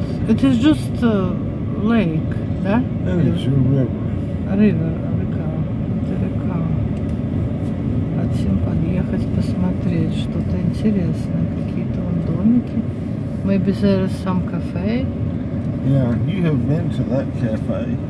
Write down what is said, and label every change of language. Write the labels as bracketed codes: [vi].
[en] It is just a lake, [ru] да? [en] Yeah, river. [ru] Река. Хотим подъехать, посмотреть что-то интересное. Какие-то вон домики. [en] Maybe there is some cafe. Yeah, you have been to that cafe.